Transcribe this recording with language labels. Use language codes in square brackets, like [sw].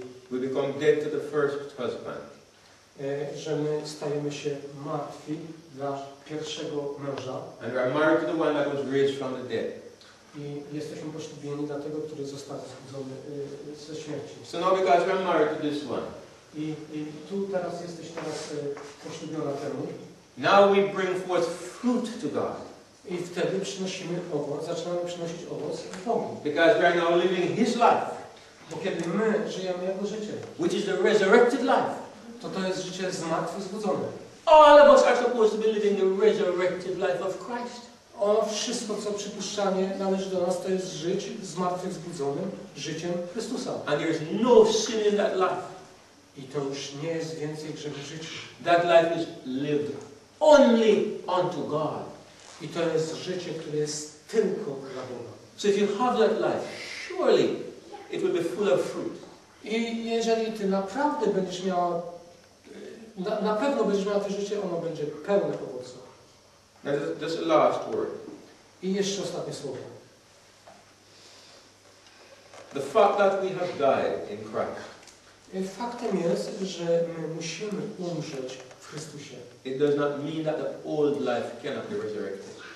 [en] We become dead to the first husband. [pl] Że my stajemy się martwi dla pierwszego męża. [en] And we are married to the one that was raised from the dead. [pl] I jesteśmy poślubieni dla tego, który został wzbudzony ze śmierci. [en] So now because we are married to this one. [pl] I tu teraz jesteś teraz poślubiona temu. [en] Now we bring forth fruit to God. [pl] I wtedy przynosimy owoc, zaczynamy przynosić owoc Bogu. [en] Because we are now living His life. [pl] Bo kiedy my żyjemy Jego życie. [en] Which is the resurrected life. [pl] To jest życie zmartwychwzbudzone. [en] All of us are supposed to be living the resurrected life of Christ. [pl] O, wszystko, co przypuszczanie należy do nas, to jest żyć zmartwychwzbudzonym życiem Chrystusa. [en] And there is no sin in that life. [pl] I to już nie jest więcej grzech w życiu. [en] That life is lived only unto God. [pl] I to jest życie, które jest tylko dla Boga. [en] So if you have that life, surely it will be full of fruit. [pl] I jeżeli ty naprawdę będziesz miał, na pewno będziesz miał to życie, ono będzie pełne owoców. [en] Now this last word. [pl] I jeszcze ostatnie słowo. [en] The fact that we have died in Christ. [pl] Faktem jest, że my musimy umrzeć w Chrystusie. [en] It does not mean that the old life cannot be resurrected.